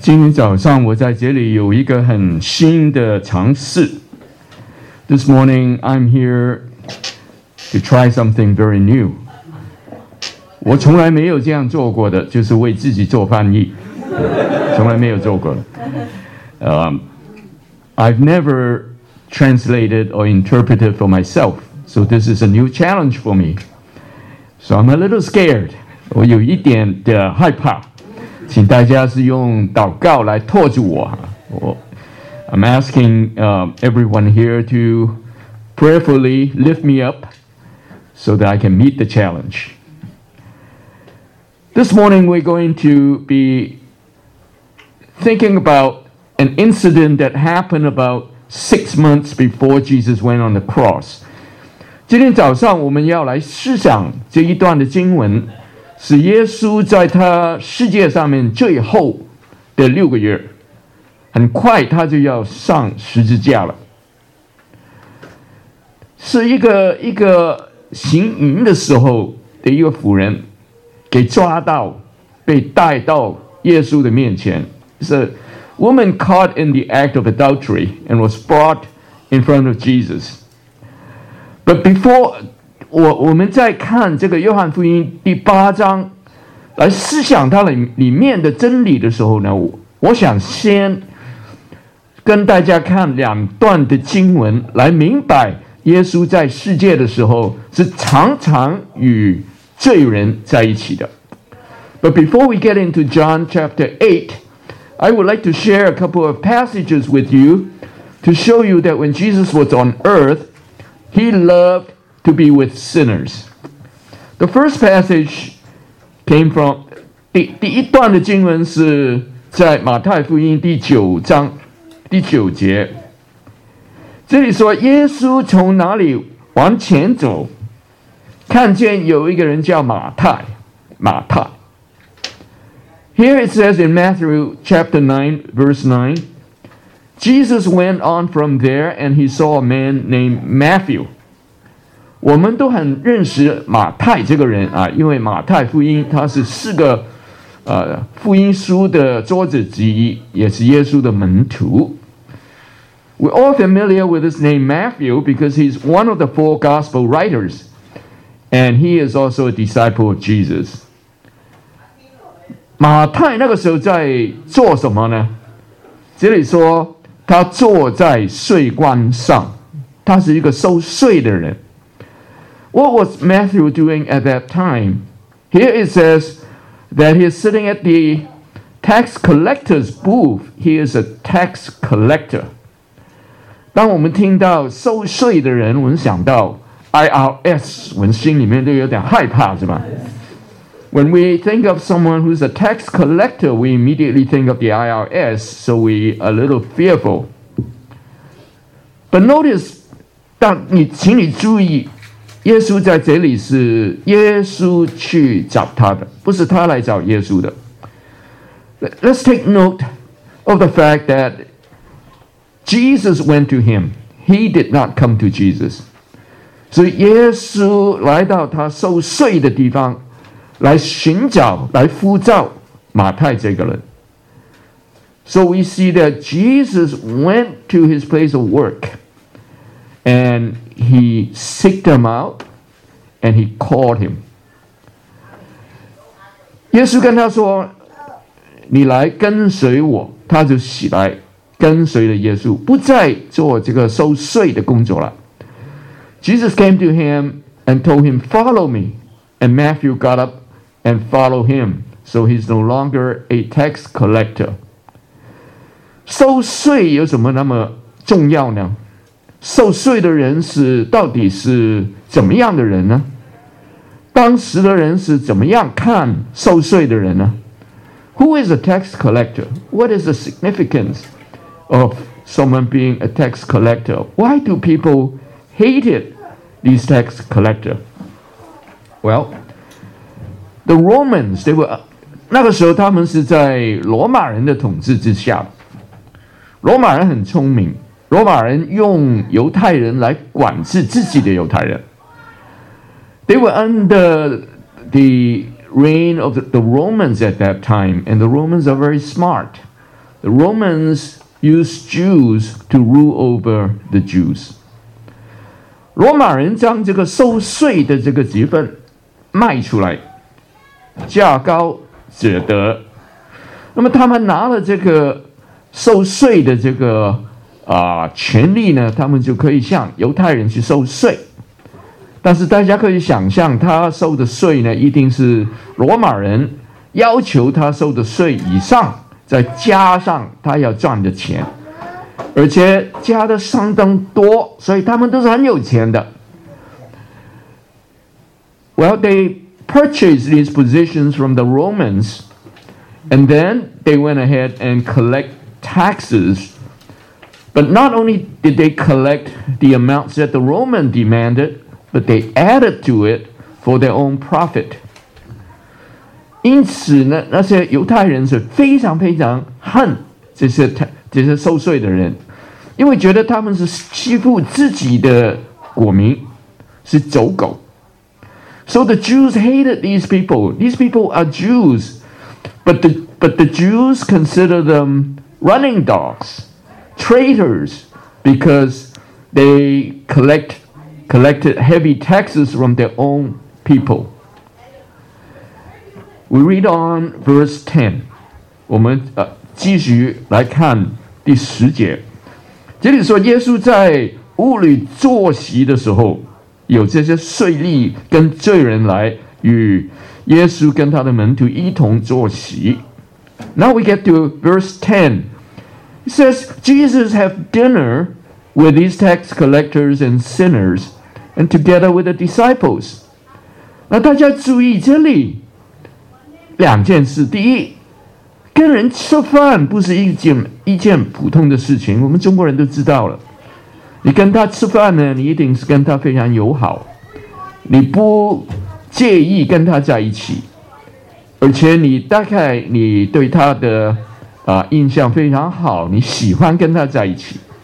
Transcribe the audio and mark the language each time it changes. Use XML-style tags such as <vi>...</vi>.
<zh>今天早上我在这里有一个很新的尝试。</zh> <en>This morning I'm here to try something very new.</en> <zh>我从来没有这样做过的，就是为自己做翻译，从来没有做过的。</zh> <en>I've never translated or interpreted for myself, so this is a new challenge for me. So I'm a little scared.</en> <zh>我有一点的害怕。请大家是用祷告来托住我。</zh> <en>I'm asking everyone here to prayerfully lift me up so that I can meet the challenge. This morning we're going to be thinking about an incident that happened about 6 months before Jesus went on the cross.</en> <zh>今天早上我们要来思想这一段的经文，是耶稣在他世界上面最后的六个月，很快他就要上十字架了。是一个行淫的时候的一个妇人给抓到，被带到耶稣的面前。</zh> <en>It's a woman caught in the act of adultery and was brought in front of Jesus. But before...</en> <zh>我们在看这个约翰福音第八章来思想它里面的真理的时候呢， 我想先跟大家看两段的经文，来明白耶稣在世界的时候是常常与罪人在一起的。</zh> <en>But before we get into John chapter 8, I would like to share a couple of passages with you to show you that when Jesus was on earth, he lovedTo be with sinners. The first passage came from</en> <zh>第一段的经文是在马太福音第九章第九节。这里说耶稣从哪里往前走，看见有一个人叫马太。马太。</zh> <en>Here it says in Matthew chapter 9, verse 9, Jesus went on from there and he saw a man named Matthew.</en> <zh>我们都很认识马太这个人啊，因为马太福音他是四个福音书的作者之一，也是耶稣的门徒。</zh> <en>We're all familiar with his name Matthew because he's one of the four gospel writers, and he is also a disciple of Jesus.</en> <zh>马太那个时候在做什么呢？这里说他坐在税官上，他是一个收税的人。</zh> <en>What was Matthew doing at that time? Here it says that he is sitting at the tax collector's booth. He is a tax collector.</en> <zh>当我们听到收税的人，我们想到 IRS, 我们心里面都有点害怕，是吧？</zh> <en>When we think of someone who is a tax collector, we immediately think of the IRS, so we are a little fearful. But notice,</en> <zh>请你注意，耶稣在这里是耶稣去找他的，不是他来找耶稣的。</zh> <en>Let's take note of the fact that Jesus went to him. He did not come to Jesus.</en> <zh>所以耶稣来到他受税的地方，来寻找，来呼召马太这个人。</zh> <en>So we see that Jesus went to his place of work. And he seeked him out, and he called him.</en> <zh>耶稣跟他说，你来跟随我，他就起来跟随了耶稣，不再做这个收税的工作了。</zh> <en>Jesus came to him and told him, follow me. And Matthew got up and followed him. So he's no longer a tax collector.</en> <zh>收税有什么那么重要呢？受税的人是到底是怎么样的人呢？当时的人是怎么样看受税的人呢？</zh> <en>Who is a tax collector? What is the significance of someone being a tax collector? Why do people hate these tax collectors? Well, the Romans, they were,</en> <zh>那个时候他们是在罗马人的统治之下。罗马人很聪明，罗马人用犹太人来管制自己的犹太人。</zh> <en>They were under the reign of the Romans at that time, and the Romans are very smart. The Romans used Jews to rule over the Jews.</en> <zh>罗马人将这个收税的这个职分卖出来，价高者得。那么他们拿了这个收税的这个权利呢，他们就可以向犹太人去收税。但是大家可以想象，他收的税呢，一定是罗马人要求他收的税以上，再加上他要赚的钱，而且加的相当多，所以他们都是很有钱的。</zh> <en>Well, they purchased these positions from the Romans, and then they went ahead and collect taxes. But not only did they collect the amounts that the Roman demanded, but they added to it for their own profit.</en> <zh>因此呢，那些犹太人是非常非常恨这些收税的人，因为觉得他们是欺负自己的国民，是走狗。</zh> <en>So the Jews hated these people. These people are Jews, but the Jews consider them running dogs. Traitors, because they collected heavy taxes from their own people. We read on verse 10.</en> <zh>我们继续来看第十节。这里说耶稣在屋里坐席的时候，有这些税吏跟罪人来与耶稣跟他的门徒一同坐席。</zh> <en>Now we get to verse 10. It says, Jesus had dinner with these tax collectors and sinners, and together with the disciples.</en> <zh>那大家注意这里两件事。第一，跟人吃饭不是一件普通的事情，我们中国人都知道了。你跟他吃饭呢，你一定是跟他非常友好，你不介意跟他在一起，而且你大概你对他的印象非常好，你喜欢跟他在一起。</zh>